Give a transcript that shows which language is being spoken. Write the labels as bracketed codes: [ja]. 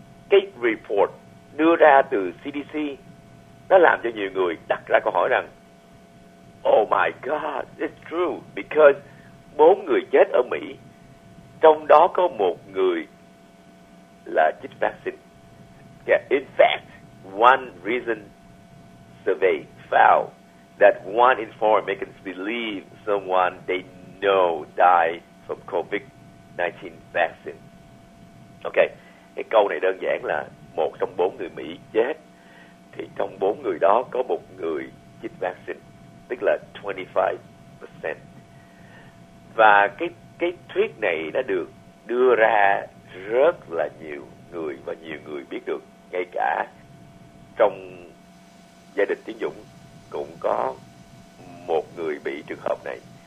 [vi] Cái report đưa ra từ CDC nó làm cho nhiều người đặt ra câu hỏi rằng [en] oh my god, it's true, because [vi] 4 người chết ở Mỹ, trong đó có một người là chích vaccine. [en] Yeah, in fact, one recent survey found that 1 in 4 Americans believe someone they know died from COVID-19 vaccine. [vi] Okay, cái câu này đơn giản là một trong 4 người Mỹ chết, thì trong 4 người đó có một người chích vaccine, tức là 25%. Và cái thuyết này đã được đưa ra rất là nhiều người và nhiều người biết được, ngay cả trong gia đình Tiến Dũng cũng có một người bị trường hợp này.